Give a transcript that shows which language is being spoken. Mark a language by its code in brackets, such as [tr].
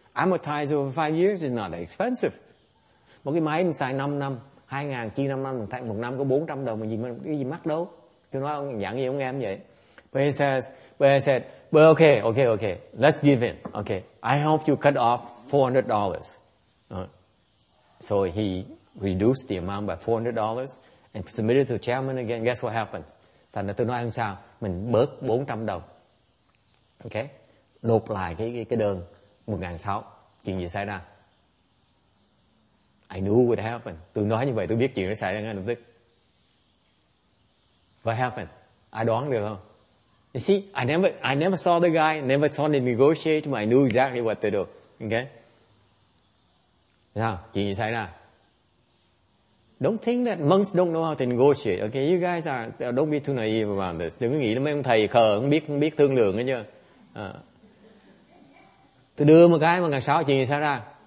[en] Amortize it for 5 years is not that expensive. [vi] Một cái máy mình xài 5 năm, 2,000, chi 5 năm, một năm có $400, mà cái gì mắc đâu. Tôi nói, ông dặn gì ông em vậy? [en] But he said, well, okay, let's give in. Okay, I helped you cut off $400. So he reduced the amount by $400 and submitted to the chairman again. Guess what happened? [vi] Thành ra tôi nói không sao, mình bớt $400. Okay, nộp lại cái đơn $1,600. Chuyện gì xảy ra? [en] I knew what happened. [vi] Tôi nói như vậy, tôi biết chuyện nó xảy ra ngay lập tức. [en] What happened? [vi] Ai đoán được không? [en] You see, I never saw the guy, never saw the negotiator, but I knew exactly what to do. Okay? Now, [vi] chuyện gì xảy ra? [en] Don't think that monks don't know how to negotiate. Okay, you guys are, don't be too naive about this. [vi] Đừng có nghĩ là mấy ông thầy khờ, không biết thương lượng hết chứ. Tôi đưa một cái $1,600, chuyện gì xảy ra?